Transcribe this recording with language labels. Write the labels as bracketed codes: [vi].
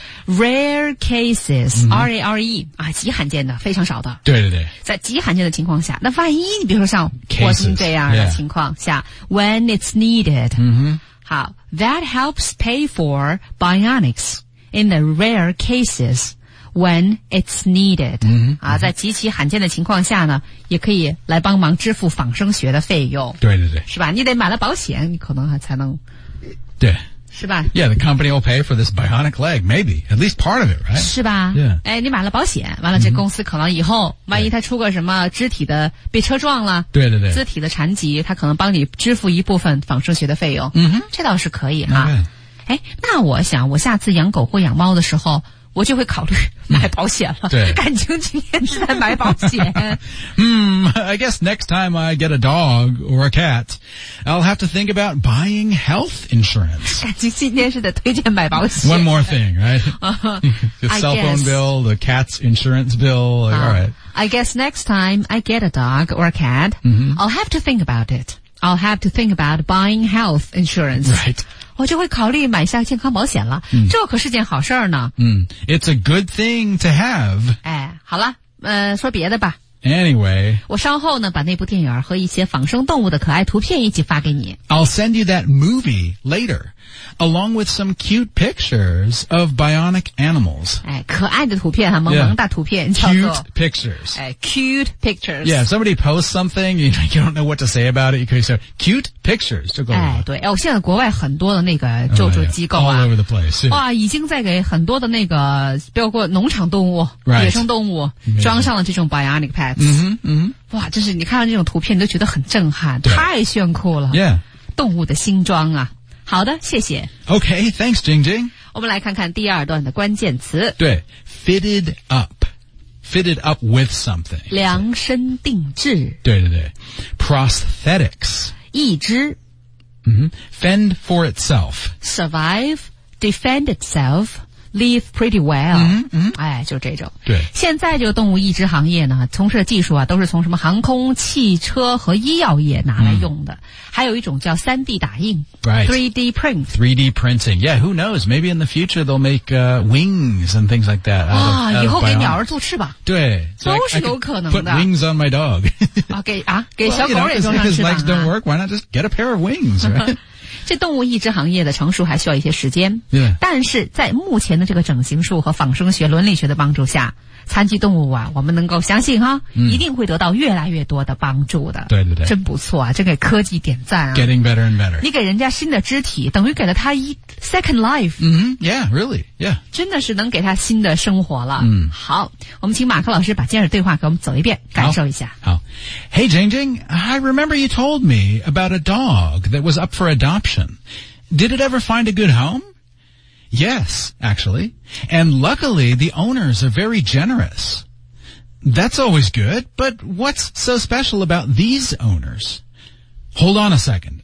[en] Rare cases,、 [zh] R-A-R-E, 啊极罕见的非常少的。对对对。在极罕见的情况下那万一你比如说像霍金这样的情况下 [en] cases,、 when it's needed,、 [zh] 好 , [en] that helps pay for bionics in the rare cases when it's needed.、 [zh] 在极其罕见的情况下呢也可以来帮忙支付仿生学的费用。对对对。是吧你得买了保险你可能还才能。对。是吧 [en] ?Yeah, the company will pay for this bionic leg, maybe, at least part of it, right? [zh] 是吧、 [en] yeah. [zh] 哎你买了保险完了这公司可能以后、万一他出个什么肢体的被车撞了对对对。肢体的残疾他可能帮你支付一部分仿生学的费用。这倒是可以哈。 [en] Okay. [zh] 哎那我想我下次养狗或养猫的时候我就会考虑买保险了。对。感情今天是在买保险。 [en] I guess next time I get a dog or a cat, I'll have to think about buying health insurance. [zh] 感情今天是在推荐买保险。 [en] One more thing, right? The cell phone bill, the cat's insurance bill, like, alright. I guess next time I get a dog or a cat, I'll have to think about it. I'll have to think about buying health insurance. Right. [zh] 我就会考虑买下健康保险了、这可是件好事儿呢。 [en] It's a good thing to have. [zh] 哎好了说别的吧。 [en] Anyway, [zh] 我稍后呢把那部电影和一些仿生动物的可爱图片一起发给你。 [en] I'll send you that movie later, along with some cute pictures of bionic animals. [zh] 哎，可爱的图片哈，萌萌大图片 [en] yeah, [zh] 叫做 [en] cute pictures. 哎 ，cute pictures. Yeah, somebody posts something, you don't know what to say about it. You could say cute pictures [zh] 就够了。哎，对，哦，现在国外很多的那个救助机构啊、 [en] oh, yeah. ，all over the place. [zh] 哇，已经在给很多的那个包括农场动物、 [en] right. [zh] 野生动物、 [en] Amazing. [zh] 装上了这种 bionic。嗯哼，哇，就是你看到这种图片你都觉得很震撼，太炫酷了。 [en] Yeah. [zh] 动物的新装啊。好的，谢谢。 [en] Okay, thanks, Jing Jing. [zh] 我们来看看第二段的关键词。 [en] 对 ,fitted up. Fitted up with something. [zh] 量身定制。对对对。Prosthetics. 义肢。 [en] Fend for itself. Survive, defend itself. Live pretty well. [zh] 哎，就这种。对。现在这个动物义肢行业呢，从事的技术啊，都是从什么航空、汽车和医药业拿来用的。还有一种叫 3D 打印。 [en] Right. 3D print. 3D printing. Yeah, who knows? Maybe in the future they'll make, wings and things like that. [zh] 啊，以后给鸟儿做翅膀。对。都是有可能的。 [en] Put wings on my dog. [zh] 啊，给，啊，给小狗也做上翅膀。 [en] If his legs don't work, why not just get a pair of wings, right? [zh] 这动物义肢行业的成熟还需要一些时间、 [en] yeah. [zh] 但是在目前的这个整形术和仿生学伦理学的帮助下残疾动物啊我们能够相信哈、一定会得到越来越多的帮助的对对对真不错啊真给科技点赞啊 [en] Getting better and better [zh] 你给人家新的肢体等于给了他一 [en] second life、 Yeah really Yeah [zh] 真的是能给他新的生活了、好我们请马克老师把今日对话给我们走一遍感受一下 [en] Hey Jing Jing I remember you told me about a dog that was up for adoption Did it ever find a good homeYes, actually. And luckily, the owners are very generous. That's always good, but what's so special about these owners? Hold on a second.